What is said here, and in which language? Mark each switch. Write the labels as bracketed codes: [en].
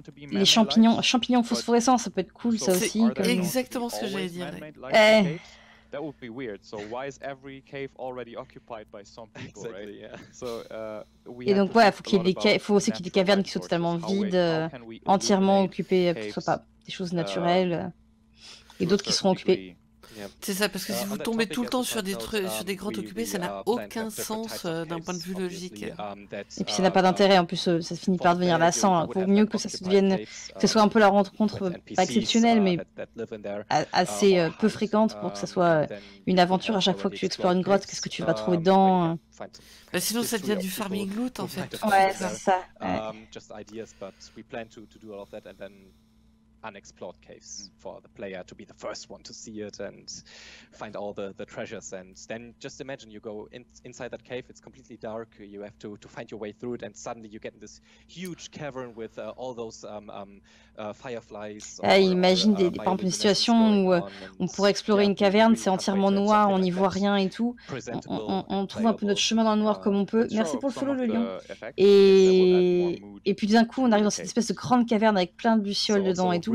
[fr] Les champignons phosphorescents, ça peut être cool, ça aussi. C'est exactement ce que j'allais dire. Eh, [en] That would be weird. So why is every cave already occupied by some people, exactly, right? Yeah. So we [fr] et donc ouais, faut qu'il y ait faut aussi qu'il y ait des cavernes qui soient totalement vides, entièrement occupées, que ce soit pas des choses naturelles et d'autres qui seront occupées. C'est ça, parce que si vous tombez tout le temps sur des grottes occupées, ça n'a aucun sens d'un point de vue logique. Et puis ça n'a pas d'intérêt, en plus ça finit par devenir lassant. Il vaut mieux que ça se devienne, que ce soit un peu la rencontre, pas exceptionnelle, mais assez peu fréquente pour que ça soit une aventure à chaque fois que tu explores une grotte, qu'est-ce que tu vas trouver dedans. Bah sinon ça devient du farming loot en fait. Ouais, c'est ça. Juste idées, mais nous planons de faire tout ça et puis... [en] unexplored caves for the player to be the first one to see it and find all the treasures, and then just imagine you go inside that cave, it's completely dark, you have to find your way through it, and suddenly you get in this huge cavern with all those fireflies. [fr] Imagine des par exemple une situation où on pourrait explorer une caverne, c'est entièrement noir, on n'y voit rien et tout, on trouve un peu notre chemin dans le noir comme on peut. Merci pour le follow, le lion. Et puis d'un coup on arrive dans cette espèce de grande caverne avec plein de lucioles dedans.